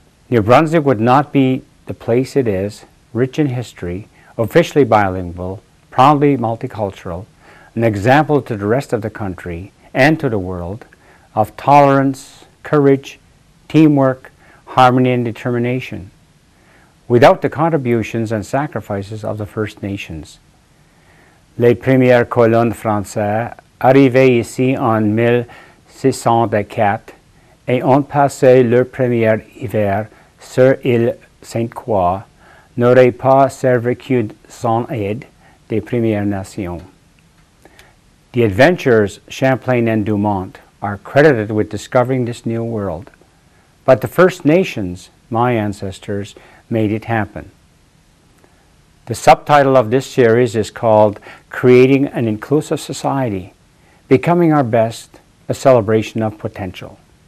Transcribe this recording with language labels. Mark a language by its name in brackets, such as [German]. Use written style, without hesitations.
[English] New Brunswick would not be the place it is, rich in history, officially bilingual, proudly multicultural, an example to the rest of the country and to the world of tolerance, courage, teamwork, harmony, and determination, without the contributions and sacrifices of the First Nations. [French] Les premières colonnes françaises arrivaient ici en 1604 et ont passé leur premier hiver sur l'île Sainte-Croix n'auraient pas survécu sans aide des Premières Nations. [English] The adventurers Champlain and Dumont are credited with discovering this new world, but the First Nations, my ancestors, made it happen. The subtitle of this series is called Creating an Inclusive Society, Becoming Our Best, a Celebration of Potential.